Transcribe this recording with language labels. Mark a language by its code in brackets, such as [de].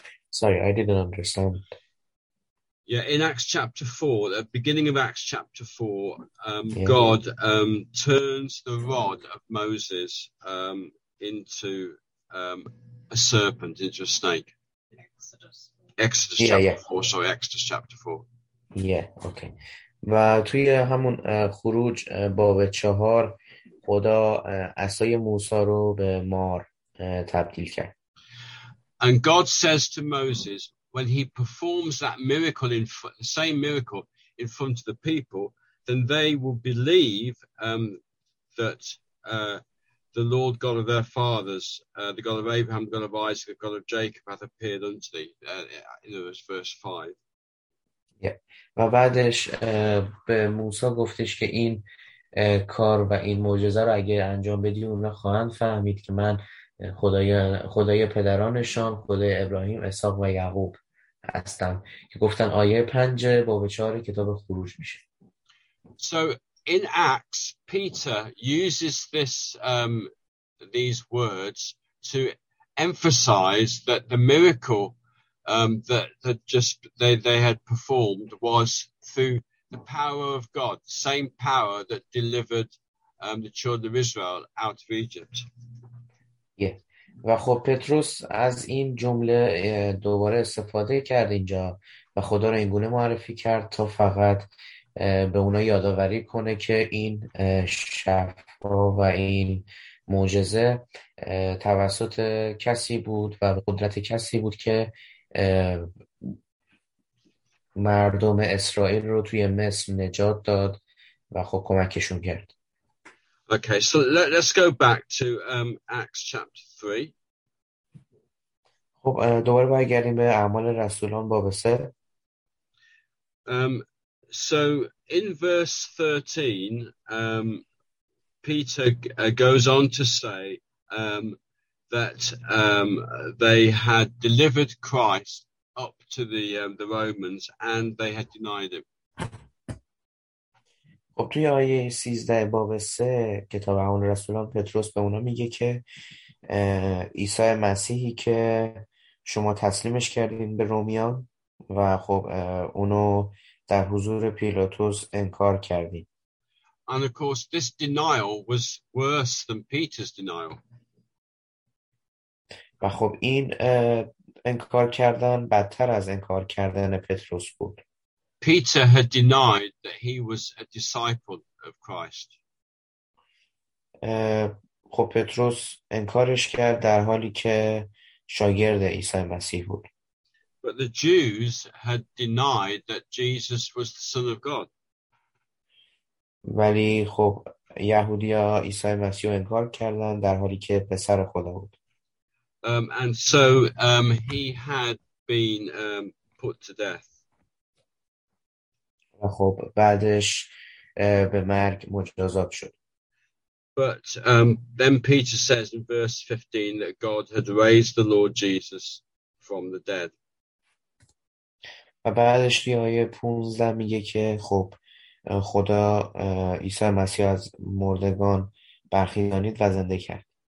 [en] Sorry, I didn't understand. Yeah, in Acts chapter 4, the beginning of Acts chapter 4, yeah. God turns the rod of Moses into a serpent, into a snake. Exodus chapter 4, yeah. Sorry, Exodus chapter 4. Yeah, okay. [fa] و توی همون خروج باب 4 خدا عصای موسی رو به مار تبدیل کرد. [en] And God says to Moses, when he performs that miracle in the same miracle in front of the people, then they will believe that the Lord God of their fathers, the God of Abraham, the God of Isaac, the God of Jacob, hath appeared unto thee. In other words, verse 5. Yeah. [fa] و بعدش به موسی گفتش که این کار و این معجزه را اگه انجام بدی اونا خواهند فهمید که من خدای پدرانشان، خدای ابراهیم، اسحاق و یعقوب هستم، که گفتن آیه 5 باب 4 کتاب خروج میشه. [en] So in Acts Peter uses this these words to emphasize that the miracle that they had performed was through the power of God, the same power that delivered the children of Israel out of Egypt. Yeah. [fa] و خب پتروس از این جمله دوباره استفاده کرد اینجا و خدا رو اینگونه معرفی کرد تا فقط به اونا یادآوری کنه که این شفا و این معجزه توسط کسی بود و قدرت کسی بود که مردم اسرائیل رو توی مصر نجات داد و خب کمکشون کرد. [en] Okay, so let's go back to Acts chapter 3. [fa] خب دوباره برگردیم به اعمال رسولان باب 3. [en] So in verse 13, Peter goes on to say that they had delivered Christ up to the Romans and they had denied him. [fa] خب توی آیه 13 باب 3 کتاب اعمال رسولان پتروس به اونا میگه که عیسی مسیحی که شما تسلیمش کردین به رومیان و خب اونو در حضور پیلاتوس انکار کردین. [en] And of course this denial was worse than Peter's denial. [fa] و خب این انکار کردن بدتر از انکار کردن پتروس بود. [en] Peter had denied that he was a disciple of Christ. [fa] خب پتروس انکارش کرد در حالی که شاگرد عیسی مسیح بود. [en] But the Jews had denied that Jesus was the Son of God. [fa] ولی خب یهودیا عیسی مسیح رو انکار کردن در حالی که پسر خدا بود. [en] And so he had been put to death. [fa] خب بعدش به مرگ مجازات شد. [en] But then Peter says in verse 15 that God had raised the Lord Jesus from the dead. [fa] و بعدش توی آیه 15 میگه که خب خدا عیسی مسیح از مردگان برخیزانید و زنده کرد.